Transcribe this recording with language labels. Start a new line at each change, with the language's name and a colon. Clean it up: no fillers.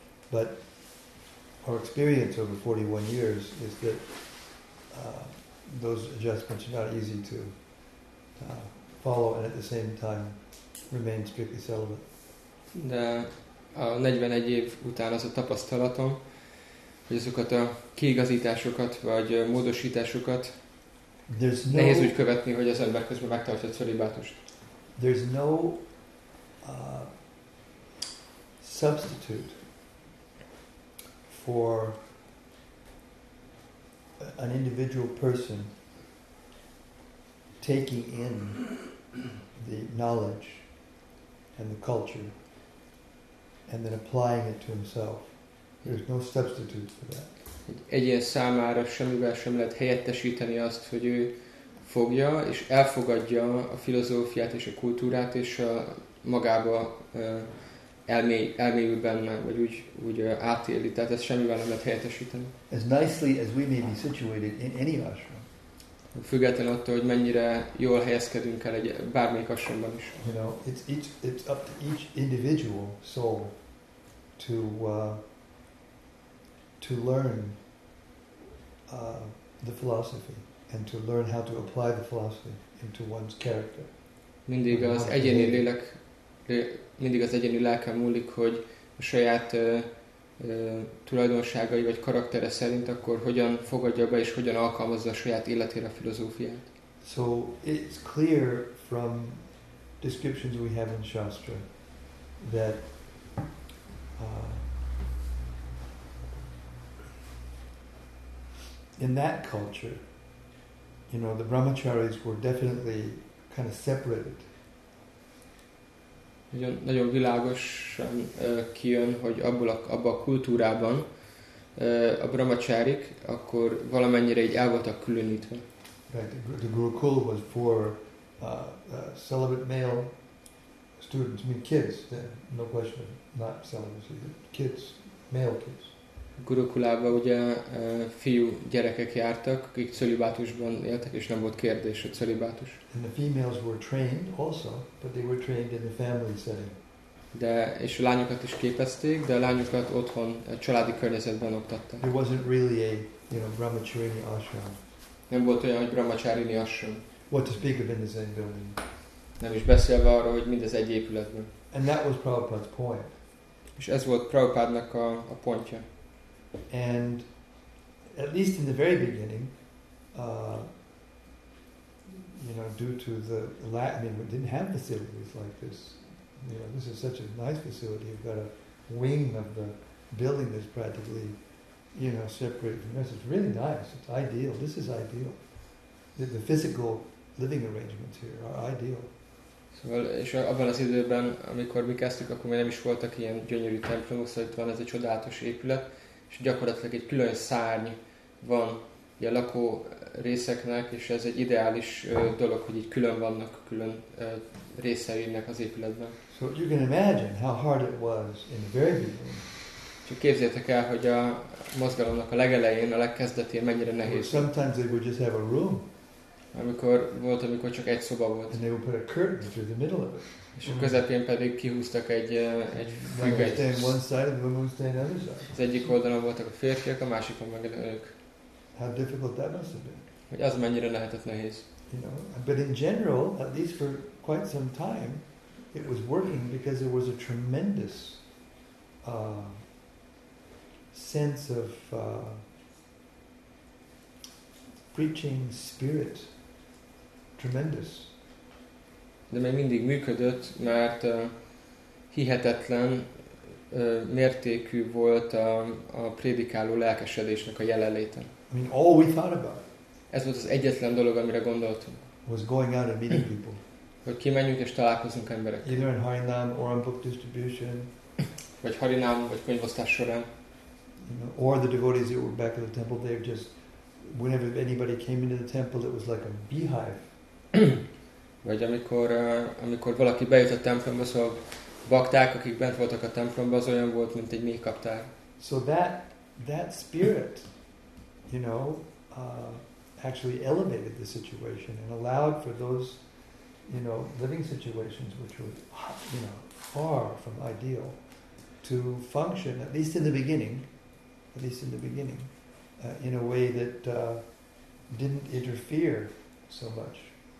English: But our experience over 41 years is that those adjustments are not easy to follow and at the same time remain strictly celibate.
Hungarian: De a 41 év után az a tapasztalatom, hogy azokat a kiigazításokat vagy módosításokat nehéz úgy követni, hogy az ember közben megtartja a celibátust.
English: There's no substitute for an individual person taking in the knowledge and the culture, and then applying it to himself. There's no substitute for that.
Hungarian: Egy ilyen számára semmivel sem lehet helyettesíteni azt, hogy ő fogja és elfogadja a filozófiát és a kultúrát, és magába elmélyül benne, vagy úgy átéli. Tehát ezt semmivel nem lehet helyettesíteni.
English: As nicely as we may be situated in any ashram.
Hungarian: Függetlenül attól, hogy mennyire jól helyezkedünk el egy bármelyik ashramban is.
English: You know, it's up to each individual soul to learn the philosophy and to learn how to apply the philosophy into one's character.
Hungarian: Mindig az egyéni lélek, mindig az egyéni lelken múlik, hogy a saját tulajdonságai vagy karaktere szerint akkor hogyan fogadja be és hogyan alkalmazza a saját életére a filozófiát.
English: So it's clear from descriptions we have in Shastra that in that culture, you know, the brahmacharis were definitely kind of separated.
Hungarian: Nagyon, nagyon világosan kijön, hogy abban a kultúrában a brahmacharik akkor valamennyire így el voltak különítve.
English: Right, the gurukul was for celibate male students, I mean kids, then, no question, not celibacy, kids, male kids.
Hungarian: Gurukulába ugye fiú gyerekek jártak, akik cölibátusban éltek, és nem volt kérdés a cölibátus.
English: And the females were trained also, but they were trained in the family setting.
Hungarian: De és a lányokat is képezték, de a lányokat otthon, a családi környezetben oktatták.
English: There wasn't really a, you know, brahmacharini ashram.
Hungarian: Nem volt olyan, hogy brahmacharini ashram.
English: What to speak of in the Zen building.
Hungarian: Nem is beszélve arról, hogy mindez egy épületben.
English: And that was Prabhupada's point.
Hungarian: És ez volt Prabhupádnak a pontja.
English: And at least in the very beginning, you know, due to the Latin, I mean, we didn't have facilities like this. You know, this is such a nice facility. You've got a wing of the building that's practically, you know, separate from this. It's really nice. It's ideal. This is ideal. The physical living arrangements here are ideal.
Hungarian: Szóval, és abban az időben, amikor mi kezdtük, akkor még nem is voltak ilyen gyönyörű templomok, szóval itt van ez egy csodálatos épület. És gyakorlatilag egy külön szárny van a lakó részeknek, és ez egy ideális dolog, hogy így külön vannak, külön részeinek az épületben.
English: So you can imagine how hard it was in the very beginning.
Hungarian: Csak képzeljétek el, hogy a mozgalomnak a legelején, a legkezdetén mennyire nehéz.
English: Or sometimes they would just have a room.
Hungarian: Amikor csak egy szoba volt.
English: And they would put a curtain through the middle of it.
Hungarian: És a közepén pedig kihúztak egy függönyt.
English: One side of the women stay on the other side.
Hungarian: Az egyik oldalon voltak a férfiak, a másikon meg a nők.
English: How difficult that must have been.
Hungarian: Hogy az mennyire lehetett nehéz.
English: You know, but in general, at least for quite some time, it was working because there was a tremendous sense of preaching spirit. Tremendous.
Hungarian: De még mindig működött, mert hihetetlen mértékű volt a prédikáló lelkesedésnek a jelenléte.
English: I mean, all we thought about.
Hungarian: Ez volt az egyetlen dolog, amire gondoltunk.
English: Was going out and meeting people.
Hungarian: Hogy kimenjünk és találkozunk emberekkel.
English: Either in Harinám or on book distribution.
Hungarian: Vagy Harinám, vagy könyvosztás során.
English: You know, or the devotees that were back at the temple, they just, whenever anybody came into the temple, it was like a beehive.
Hungarian: Vagy amikor valaki bejött a templomba, szóval bakták, akik bent voltak a templomba, az olyan volt, mint egy méhkaptár.
English: So that spirit, you know, actually elevated the situation and allowed for those, you know, living situations which were, you know, far from ideal, to function at least in the beginning, in a way that didn't interfere so much.